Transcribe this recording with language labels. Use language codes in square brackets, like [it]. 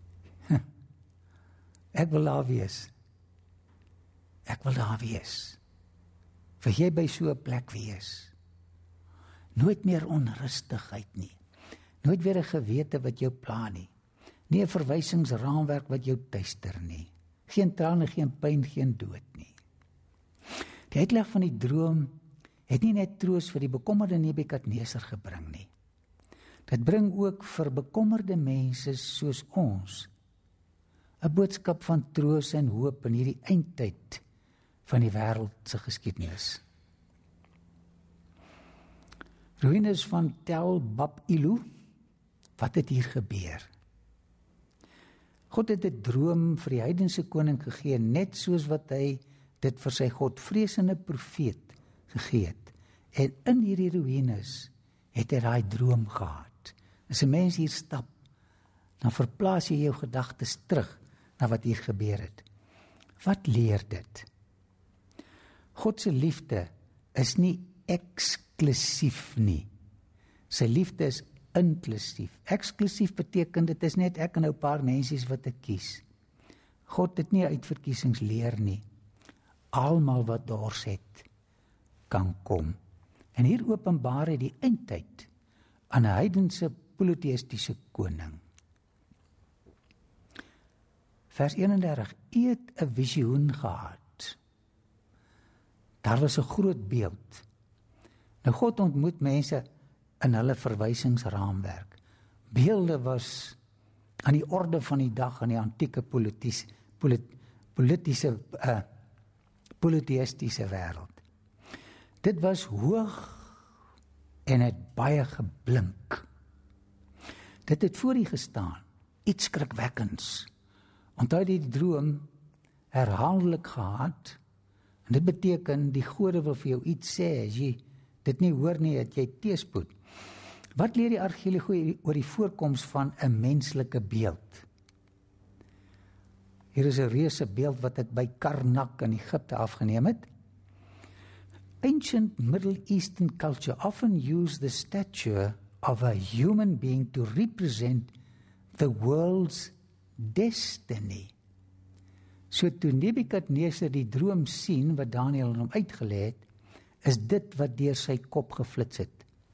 [af] Ek wil daar wees. Ek wil daar wees. Wil jy by so 'n plek wees? Nooit meer onrustigheid nie. Nooit weer 'n gewete wat jou pla nie. Nie 'n verwysingsraamwerk wat jou tuister nie. Geen trane, geen pyn, geen dood nie. Die uitleg van die droom het nie net troos vir die bekommerde Nebukadneser gebring nie. Dit bring ook vir bekommerde mense soos ons 'n boodskap van troos en hoop in hierdie eindtyd van die wêreldse geskiedenis. Ruïnes van Tel Bab-Ilu, wat het hier gebeur? God het 'n droom vir die heidense koning gegee, net soos wat hy dit vir sy godvreesende profeet gegee het. En in hierdie ruïnes het hy daai droom gehad. As 'n mens hier stap, dan verplaas jy jou gedagtes terug na wat hier gebeur het. Wat leer dit? God se liefde is nie eksklusief nie. Sy liefde is inklusief. Eksklusief beteken dit is net ek en nou 'n paar mensies wat ek kies. God het nie uitverkiesings leer nie. Almal wat dors het, kan kom. En hier openbaar het die eindtyd aan 'n heidense politeïstiese koning. Vers 31, eet 'n visioen gehad. Daar was 'n groot beeld. Nou God ontmoet mense in hulle verwysingsraamwerk. Beelde was aan die orde van die dag in die antieke politeïstiese wêreld. Dit was hoog en het baie geblink. Dit het voor die gestaan, iets skrikwekkends. Onthou die droom herhaaldelik gehad, en dit beteken die gode wil vir jou iets sê, as jy dit nie hoor nie, het jy teespoed. Wat leer die argeologie oor die voorkoms van 'n menslike beeld? Hier is 'n reuse beeld wat ek by Karnak in Egypte afgeneem het. [en] Ancient Middle Eastern culture often used the statue of a human being to represent the world's destiny. [af] So toe Nebukadneser die droom sien wat Daniël hom uitgelê het, is dit wat deur sy kop geflits het.